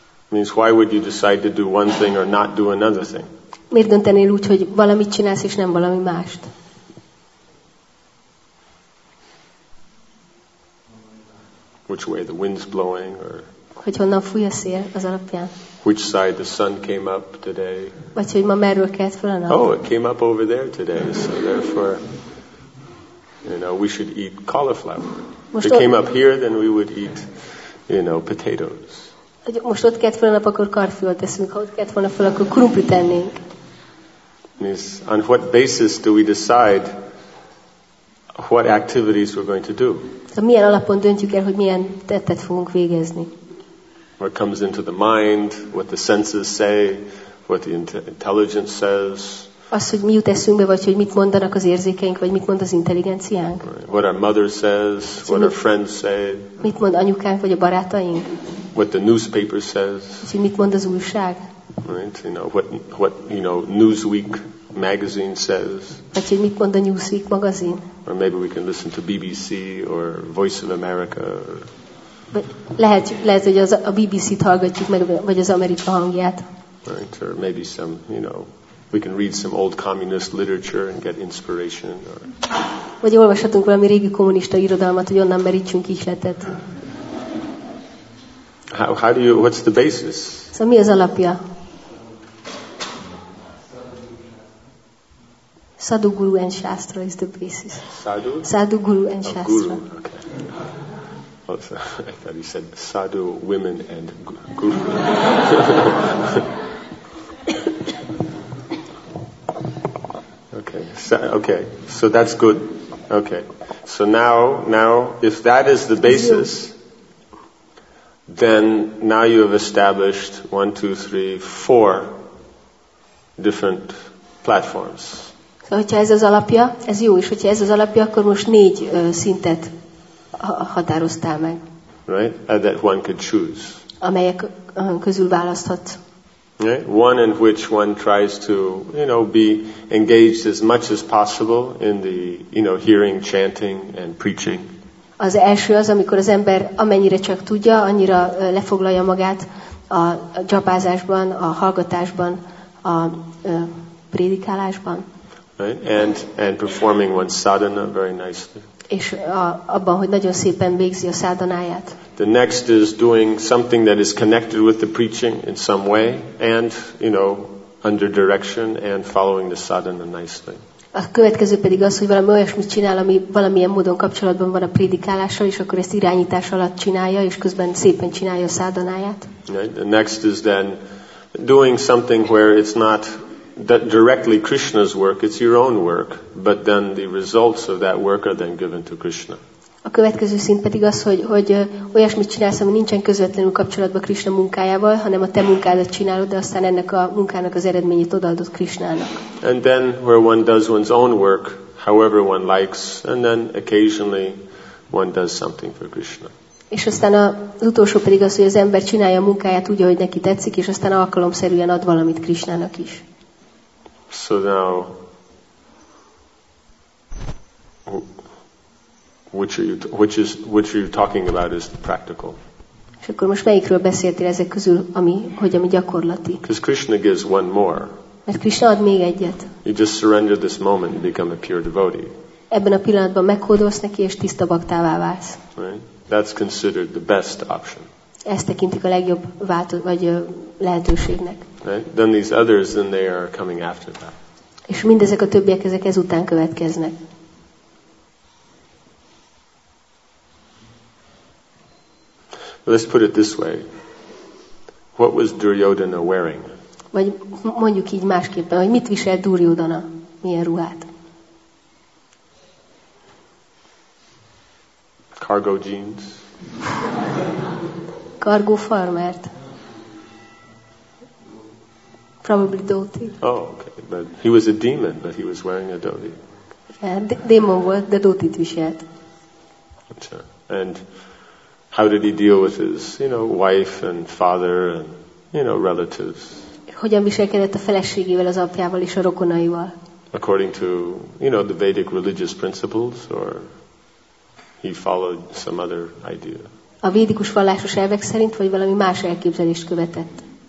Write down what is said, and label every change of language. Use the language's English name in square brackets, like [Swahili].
[English] Means why would you decide to do one thing or not do another thing? [Hungarian] Miért döntenél úgy, hogy valamit csinálsz és nem valami mást? [English] Which way the wind's blowing or [Hungarian] hogy honnan fúj a szél az alapján? [English] Which side the sun came up today? [Hungarian] Vagy hogy ma merről kelt fel a nap? [English] Oh, it came up over there today, so therefore you know, we should eat cauliflower. [Hungarian] Most [English] if it came up here, then we would eat, you know, potatoes. [Hungarian] Hogy most ott kelt fel a nap, akkor karfiolt eszünk. Ha ott kelt volna fel, akkor krumplit ennénk. [English] Yes. On what basis do we decide what activities we're going to do? [Hungarian] Tehát milyen alapon döntjük el, hogy milyen tettet fogunk végezni? [English] What comes into the mind, what the senses say, what the intelligence says. [Hungarian] Az, hogy mi jut eszünkbe, vagy hogy mit mondanak az érzékeink, vagy mit mond az intelligenciánk. [English] What our mother says, what our friends say. [Hungarian] Mit mond anyukánk, vagy a barátaink. [English] What the newspaper says. [Hungarian] Úgyhogy mit mond az újság. [English] Right, you know, what you know, Newsweek magazine says. [Hungarian] Úgyhogy mit mond a Newsweek magazin. [English] Or maybe we can listen to BBC or Voice of America. [Hungarian] Lehet, hogy az a BBC-t hallgatjuk meg, vagy az Amerika hangját. [English] Right, or maybe some, you know, we can read some old communist literature and get inspiration. Or [Hungarian] vagy olvashatunk valami régi kommunista irodalmat, hogy onnan merítsünk ihletet. [English] How do you? What's the basis? [Hungarian] So mi az alapja? [English] Sadhu guru and shastra is the basis. Sadhu guru and shastra. Oh, guru. Okay. Also, I thought you said sadhu women and guru. Okay, so that's good. Okay, so now, if that is the basis, then now you have established 1, 2, 3, 4 different platforms. [Hungarian] So, hogyha ez az alapja, ez jó, és hogyha ez az alapja, akkor most 4 szintet határoztál meg. [English] Right, that one could choose. [Hungarian] Amelyek közül választhat. [English] Right? One in which one tries to, you know, be engaged as much as possible in the, you know, hearing, chanting, and preaching. [Hungarian] Az első az, amikor az ember amennyire csak tudja, annyira lefoglalja magát a japázásban, a hallgatásban, a prédikálásban. [English] Right? And performing one's sadhana very nicely. [Hungarian] És abban, hogy nagyon szépen végzi a szádanáját. [English] The next is doing something that is connected with the preaching in some way and, you know, under direction and following the sadhana nicely. [Hungarian] A következő pedig az, hogy valami olyasmit csinál, ami valamilyen módon kapcsolatban van a prédikálással, és akkor ezt irányítás alatt csinálja, és közben szépen csinálja a szádonáját. [English] The next is then doing something where it's not that directly Krishna's work, it's your own work, but then the results of that work are then given to Krishna. [Hungarian] A következő szint pedig az, hogy olyasmit csinálsz, ami nincsen közvetlenül kapcsolatban Krishna munkájával, hanem a te munkádat csinálod, de aztán ennek a munkának az eredményét odaadod Krishnának. [English] And then where one does one's own work, however one likes, and then occasionally one does something for Krishna. [Hungarian] És aztán az utolsó pedig az, hogy az ember csinálja a munkáját úgy, ahogy neki tetszik, és aztán alkalomszerűen ad valamit Krishnának is. [English] So now, which are you talking about is the practical. [Hungarian] És akkor most melyikről beszéltél ezek közül, ami gyakorlati? [English] Because Krishna gives one more. [Hungarian] Mert Krishna ad még egyet. [English] You just surrender this moment and become a pure devotee. [Hungarian] Ebben a pillanatban meghódolsz neki és tiszta baktává válsz. [English] Right? That's considered the best option. [Hungarian] Ezt tekintik a legjobb vagy lehetőségnek. [English] Right? Then these others, then they are coming after that. [Hungarian] És mindezek a többiek ezek ezután következnek. [English] Let's put it this way. What was Duryodhana wearing? [Hungarian] Vagy mondjuk így másképpen, hogy mit viselt Duryodhana, milyen ruhát? [English] Cargo jeans. [Hungarian] Cargo farmert. [English] Probably dhoti. Oh, okay. But he was a demon, but he was wearing a dhoti. [Hungarian] Démon volt, de dhotit viselt. [English] And how did he deal with his, you know, wife and father and, you know, relatives? [Hungarian] Hogyan viselkedett a feleségével, az apjával és a rokonaival? [English] According to, you know, the Vedic religious principles, or he followed some other idea? [Hungarian] A védikus vallásos elvek szerint, vagy valami más elképzelést követett?